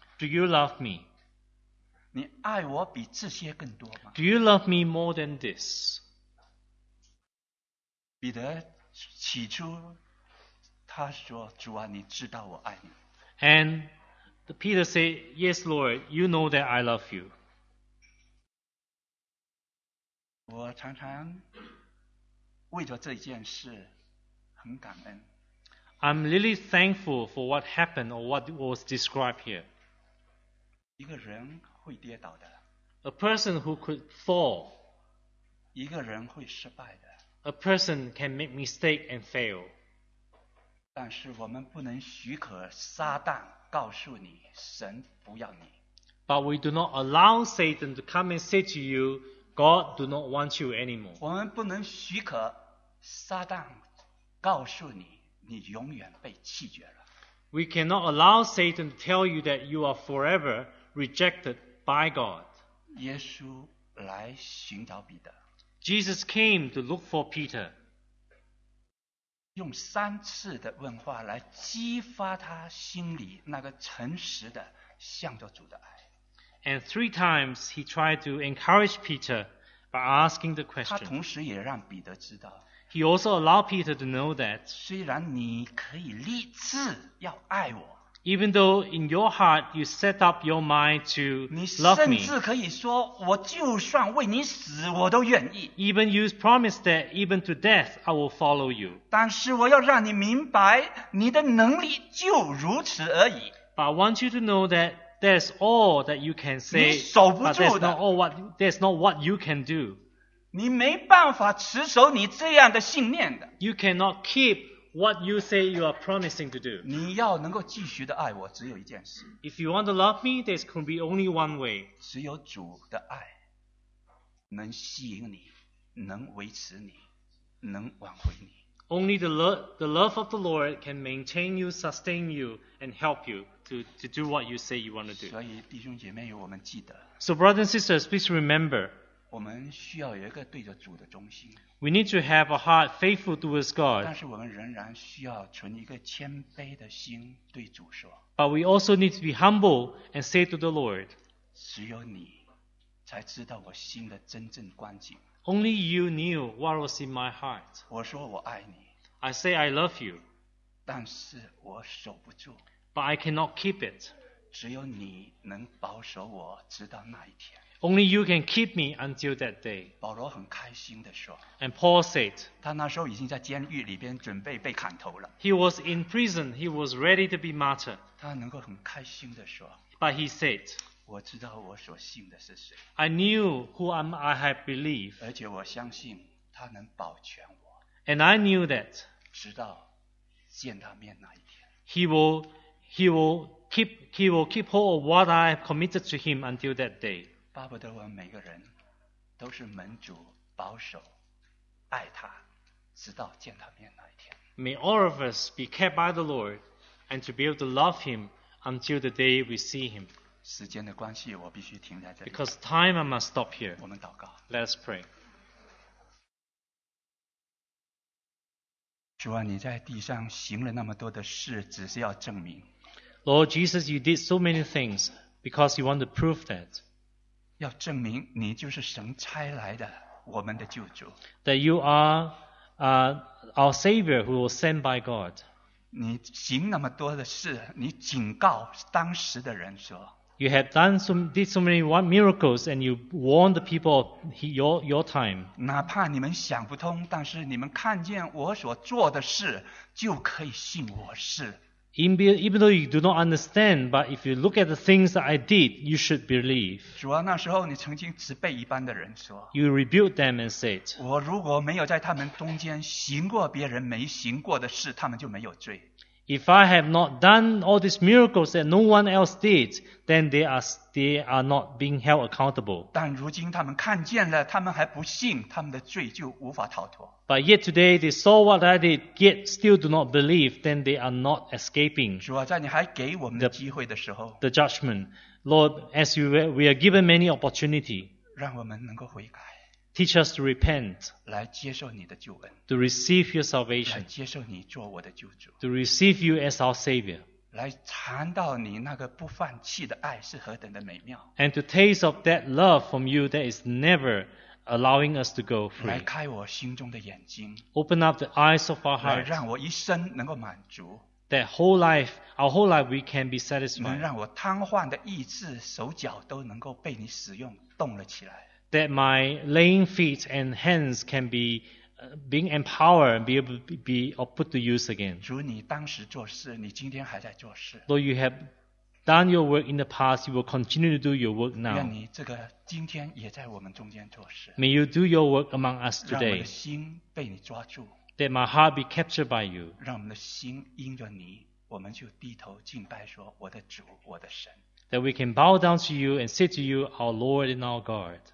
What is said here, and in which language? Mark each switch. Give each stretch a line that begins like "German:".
English: Do you love me?
Chinese: 你爱我比这些更多吗？
English: Do you love me more than this?
Chinese: 彼得起初他说，主啊，你知道我爱你。
English: And Peter said, Yes, Lord, you know that I love you.
Chinese: 我常常为着这件事很感恩。
English: I'm really thankful for what happened or what was described here.
Chinese: 一个人会跌倒的。
English: A person who could fall.
Chinese: 一个人会失败的。
English: A person can make mistake and fail.
Chinese: 但是我们不能许可撒旦告诉你神不要你。
English: But we do not allow Satan to come and say to you, God do not want you anymore.
Chinese: 我们不能许可撒旦告诉你你永远被弃绝了。
English: We cannot allow Satan to tell you that you are forever rejected. By God,
Chinese: 耶稣来寻找彼得。
English: Jesus came to look for Peter.
Chinese: 用三次的问话来激发他心里那个诚实的向着主的爱。
English: And 3 times he tried to encourage Peter by asking the question.
Chinese: 他同时也让彼得知道。
English: He also allowed Peter to know that.
Chinese: 虽然你可以立志要爱我。
English: Even though in your heart you set up your mind to love me.
Chinese: 你甚至可以说我就算为你死我都愿意。
English: Even you promised that even to death I will follow you.
Chinese: 但是我要让你明白你的能力就如此而已。
English: But I want you to know that that's all that you can say.
Chinese: 你守不住的。
English: But that's not what you can do.
Chinese: 你没办法持守你这样的信念的。
English: You cannot keep what you say you are promising to do.
Chinese: 你要能够继续的爱我只有一件事。
English: If you want to love me, there can be only one way.
Chinese: 只有主的爱能吸引你，能维持你，能挽回你。
English: Only the love of the Lord can maintain you, sustain you, and help you to do what you say you want to do.
Chinese: 所以弟兄姐妹，我们记得。
English: So brothers and sisters, please remember.
Chinese: 我们需要有一个对着主的忠心。
English: We need to have a heart faithful towards God.
Chinese: 但是我们仍然需要存一个谦卑的心对主说。
English: But we also need to be humble and say to the Lord.
Chinese: 只有你才知道我心的真正光景。
English: Only you knew what was in my heart.
Chinese: 我说我爱你。
English: I say I love you.
Chinese: 但是我守不住。
English: But I cannot keep it.
Chinese: 只有你能保守我直到那一天。
English: Only you can keep me until that day.
Chinese: 保罗很开心地说。
English: And Paul said.
Chinese: 他那时候已经在监狱里边准备被砍头了。
English: He was in prison. He was ready to be martyred.
Chinese: 他能够很开心地说。
English: But he said.
Chinese: 我知道我所信的是谁。
English: I knew who I have believed.
Chinese: 而且我相信他能保全我。
English: And I knew that.
Chinese: 直到见他面那一天。
English: He will keep hold of what I have committed to him until that day.
Chinese: 巴不得我们每个人都是门主保守爱他直到见他面那一天。
English: May all of us be kept by the Lord and to be able to love him until the day we see him.
Chinese: 时间的关系，我必须停在这里。
English: Because time, I must stop here.
Chinese: 我们祷告。
English: Let us pray.
Chinese: 主啊，你在地上行了那么多的事，只是要证明。
English: Lord Jesus, you did so many things because you want to prove that.
Chinese: 要证明你就是神差来的我们的救主。
English: That you are our Savior who was sent by God.
Chinese: 你行那么多的事，你警告当时的人说。
English: You have did so many miracles and you warned the people of your time.
Chinese: 哪怕你们想不通，但是你们看见我所做的事，就可以信我是。
English: Even though you do not understand, but if you look at the things that I did, you should believe.
Chinese: 主啊，那时候你曾经责备一般的人说。
English: You rebuked them and said.
Chinese: 我如果没有在他们中间行过别人没行过的事，他们就没有罪。
English: If I have not done all these miracles that no one else did, then they are not being held accountable.
Chinese: 但如今他们看见了，他们还不信，他们的罪就无法逃脱。
English: But yet today they saw what I did, yet still do not believe, then they are not escaping.
Chinese: 主啊，在你还给我们的机会的时候
English: ，the judgment, Lord, as we are given many opportunity,
Chinese: 让我们能够悔改。
English: Teach us to repent,
Chinese: 来接受你的救恩,
English: to receive your salvation,
Chinese: 来接受你做我的救主,
English: to receive you as our Savior,
Chinese: 来尝到你那个不放弃的爱是何等的美妙,
English: and to taste of that love from you that is never allowing us to go free,
Chinese: 来开我心中的眼睛,
English: open up the eyes of our heart,
Chinese: 来让我一生能够满足,
English: that whole life, our whole life we can be satisfied,
Chinese: 能让我瘫痪的意志手脚都能够被你使用动了起来,
English: that my laying feet and hands can be being empowered and be able to be put to use again.
Chinese: 主，你当时做事，你今天还在做事。
English: Lord, you have done your work in the past, you will continue to do your work now.
Chinese: 愿你这个今天也在我们中间做事。
English: May you do your work among us today.
Chinese: 让我们的心被你抓住。
English: That my heart be captured by you.
Chinese: 让我们的心因着你，我们就低头敬拜说，我的主，我的神。
English: That we can bow down to you and say to you, our Lord and our God.